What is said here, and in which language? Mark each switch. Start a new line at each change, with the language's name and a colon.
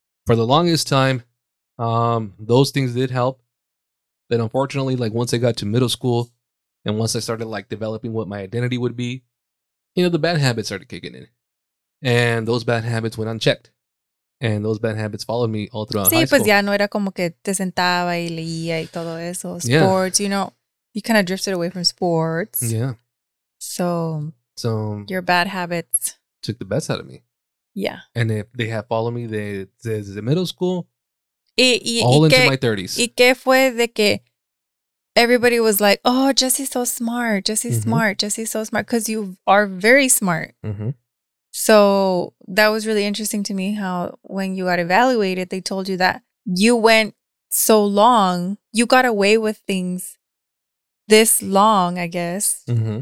English: For the longest time, those things did help. But unfortunately, like, once I got to middle school and once I started, like, developing what my identity would be, you know, the bad habits started kicking in. And those bad habits went unchecked. And those bad habits followed me all throughout high school.
Spanish: Sí, pues ya no era como que te sentaba y leía y todo eso.
English: Sports, yeah. You know, you kind of drifted away from sports. Yeah. So your bad habits took the best out of me. Yeah. And if they have followed me desde middle school, into my 30s.
Spanish: ¿Y qué fue de que
English: everybody was like, oh, Jesse's so smart, Jesse's mm-hmm. smart, Jesse's so smart, because you are very smart. Mm-hmm. So that was really interesting to me how when you got evaluated, they told you that you went so long, you got away with things this long, I guess, mm-hmm.